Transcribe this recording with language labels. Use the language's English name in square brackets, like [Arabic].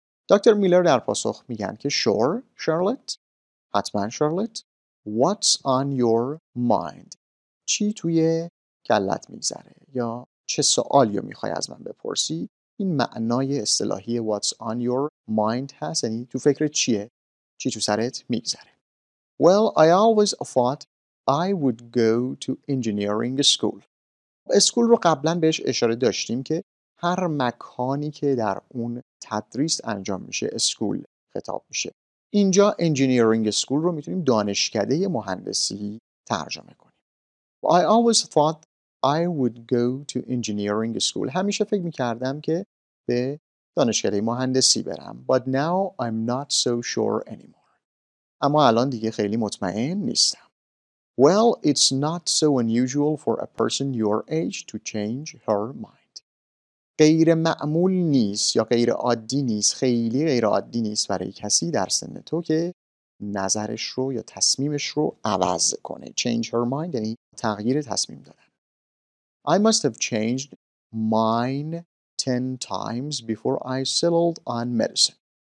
[Persian] دکتر میلر در پاسخ میگن که [English] sure [Persian] Charlotte، حتما Charlotte، [English] what's on your mind، [Persian] چی توی کلت میگذره یا چه سوالی رو میخوای از من بپرسی. این معنای اصطلاحی [English] what's on your mind [Persian] هست، یعنی تو فکر چیه، چی تو سرت میگذره. [English] Well, I always thought I would go to engineering school. [Persian] اسکول رو قبلا بهش اشاره داشتیم که هر مکانی که در اون تدریس انجام میشه اسکول خطاب میشه. اینجا engineering school رو میتونیم دانشکده مهندسی ترجمه کنیم. [English] I always thought I would go to engineering school. [Persian] همیشه فکر میکردم که به دانشگاه مهندسی برم. [English] But now I'm not so sure anymore. [Persian] اما الان دیگه خیلی مطمئن نیستم. [English] Well, it's not so unusual for a person your age to change her mind. [Persian] غیر معمول نیست یا غیر عادی نیست، خیلی غیر عادی نیست برای کسی در سن تو که نظرش رو یا تصمیمش رو عوض کنه. [English] Change her mind [Persian] یعنی تغییر تصمیم دادن. [English] I must have changed mine 10 times before I settled on medicine.